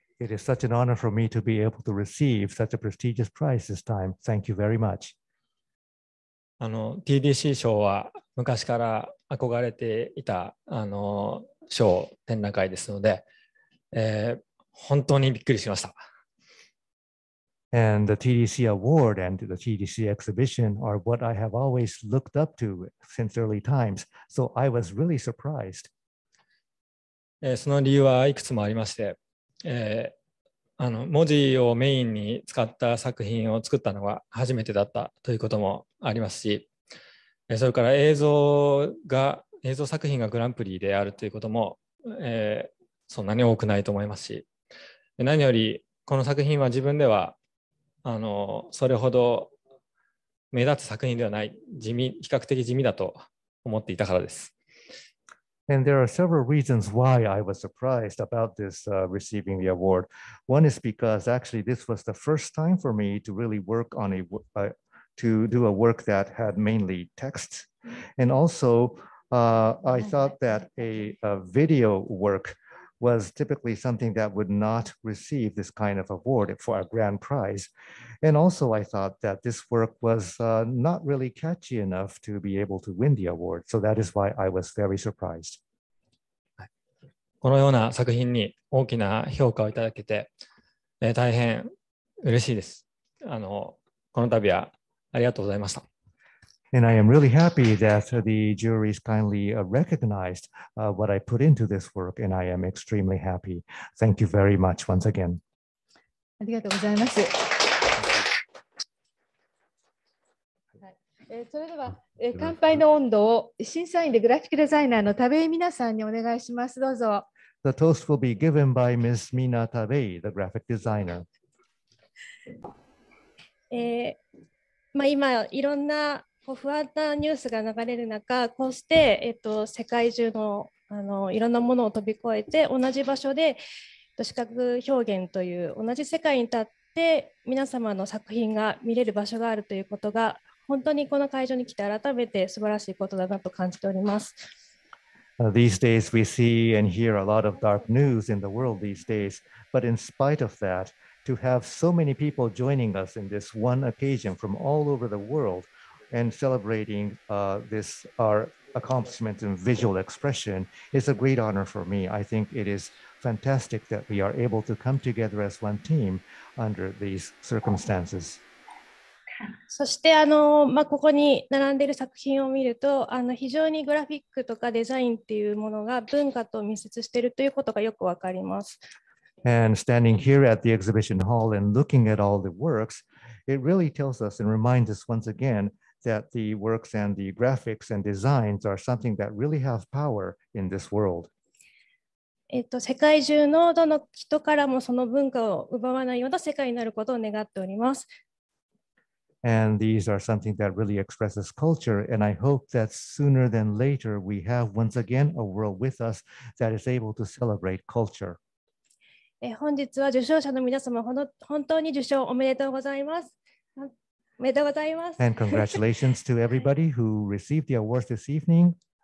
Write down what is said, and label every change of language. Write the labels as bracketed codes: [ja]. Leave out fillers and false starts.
[en] It is such an honor for me to be able to receive such a prestigious prize this time. Thank you very much. [ja] TDC 賞は昔から憧れていた賞展覧会ですので、本当にびっくりしました。 [en] And the TDC award and the TDC exhibition are what I have always looked up to since early times, so I was really surprised. [ja] その理由はいくつもありまして、文字をメインに使った作品を作ったのは初めてだったということもありますし、それから映像作品がグランプリであるということも、そんなに多くないと思いますし、何よりこの作品は自分ではそれほど目立つ作品ではない、比較的地味だと思っていたからです。 [en] And there are several reasons why I was surprised about this receiving the award. One is because actually this was the first time for me to really work on to do a work that had mainly text. And also, I thought that a video work was typically something that would not receive this kind of award for a grand prize. And also, I thought that this work was not really catchy enough to be able to win the award. So that is why I was very surprised. [ja] このような作品に大きな評価をいただけて、大変嬉しいです。この度はありがとうございました。 [en] And I am really happy that the jury's kindly recognized what I put into this work, and I am extremely happy. Thank you very much once again. [ja] ありがとうございます。それでは、乾杯の音頭を審査員でグラフィックデザイナーの田部井さんにお願いします。どうぞ。 [en] The toast will be given by Ms. Mina Tabei, the graphic designer. [ja] まあ、今いろんな不安なニュースが流れる中、こうして、世界中 の, いろんなものを飛び越えて、同じ場所で視覚表現という同じ世界に立って皆様の作品が見れる場所があるということが、本当にこの会場に来て改めて素晴らしいことだなと感じております。 [en] These days we see and hear a lot of dark news in the world these days, but in spite of that, to have so many people joining us in this one occasion from all over the world,And celebrating this our accomplishment in visual expression is a great honor for me. I think it is fantastic that we are able to come together as one team under these circumstances. [ja] そしてここに並んでいる作品を見ると非常にグラフィックとかデザインっていうものが文化と密接しているということがよくわかります。 [en] And standing here at the exhibition hall and looking at all the works, it really tells us and reminds us once again. That the works and the graphics and designs are something that really have power in this world. [ja] 世界中のどの人からもその文化を奪わないような世界になることを願っております。 [en] And these are something that really expresses culture, and I hope that sooner than later we have once again a world with us that is able to celebrate culture. [ja] 本日は受賞者の皆様、本当に受賞おめでとうございます。 [en] And congratulations to everybody who received the awards this evening.